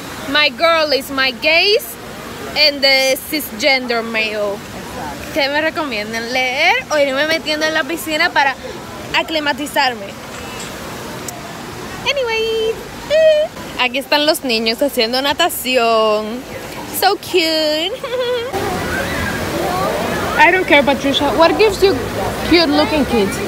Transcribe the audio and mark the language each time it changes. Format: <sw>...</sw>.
<en>My girl is my gays and the cisgender male.</en> <es>Exacto. ¿Qué me recomiendan? ¿Leer o irme metiendo en la piscina para aclimatizarme? Anyway. Aquí están los niños haciendo natación.</es> <en>So cute. I don't care, Patricia. What gives you cute looking kids?</en>